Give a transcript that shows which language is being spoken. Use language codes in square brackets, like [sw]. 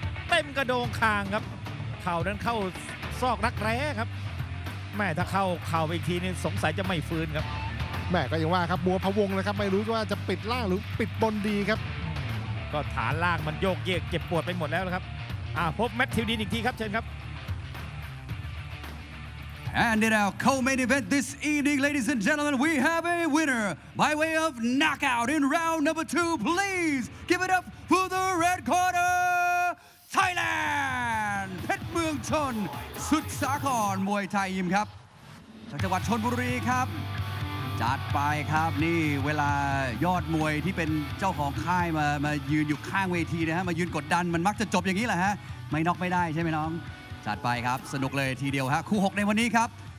[th] เต็มกระโดงคางครับเข่านั้นเข้าซอกรักแร้ครับแม่ถ้าเข้าเข่าไปอีกทีนี่สงสัยจะไม่ฟื้นครับ แม่ก็ยังว่าครับบัวพะวงนะครับไม่รู้ว่าจะปิดล่างหรือปิดบนดีครับ ก็ฐานล่างมันโยกเยียกเจ็บปวดไปหมดแล้วนะครับพบแมทธิวดีนอีกทีครับเชิญครับ [en] And in our co-main event this evening, ladies and gentlemen, we have a winner by way of knockout in round number 2. Please give it up for the red corner, Thailand! [th] เพชรเมืองชนสุดสาครมวยไทยยิมครับจังหวัดชลบุรีครับจัดไปครับนี่เวลายอดมวยที่เป็นเจ้าของค่ายมายืนอยู่ข้างเวทีนะฮะมายืนกดดันมันมักจะจบอย่างนี้แหละฮะไม่น็อกไม่ได้ใช่ไหมน้องจัดไปครับสนุกเลยทีเดียวฮะคู่6ในวันนี้ครับ